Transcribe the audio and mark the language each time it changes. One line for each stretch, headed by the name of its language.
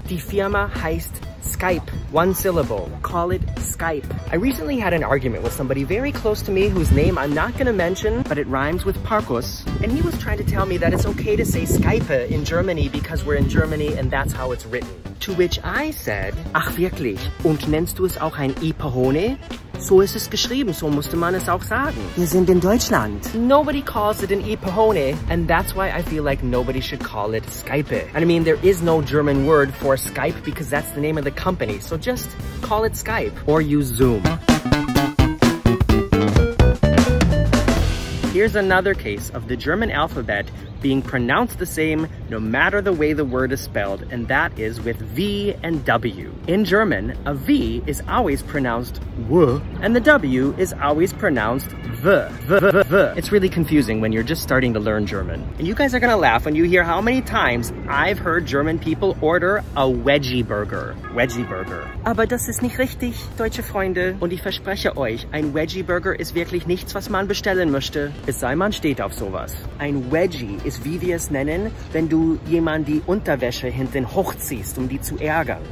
German: Die Firma heißt Skype,
English: one syllable, call it Skype. I recently had an argument with somebody very close to me whose name I'm not gonna mention, but it rhymes with Parkus, and he was trying to tell me that it's okay to say Skype in Germany because we're in Germany and that's how it's written. To which I said,
German: ach wirklich, und nennst du es auch ein Iperhone? So ist es geschrieben, so musste man es auch sagen. Wir sind in Deutschland.
English: Nobody calls it an Iperhone, and that's why I feel like nobody should call it Skype. And I mean, there is no German word for Skype because that's the name of the company. So just call it Skype or use Zoom. Here's another case of the German alphabet being pronounced the same no matter the way the word is spelled, and that is with V and W. In German, a V is always pronounced W, and the W is always pronounced V, V, V, V. It's really confusing when you're just starting to learn German. And you guys are gonna laugh when you hear how many times I've heard German people order a wedgie burger. Wedgie burger.
German: Aber das ist nicht richtig, deutsche Freunde. Und ich verspreche euch, ein wedgie burger ist wirklich nichts, was man bestellen möchte. Es sei man steht auf sowas. Ein wedgie ist, wie wir es nennen, wenn du jemand die Unterwäsche hinten hochziehst, um die zu ärgern.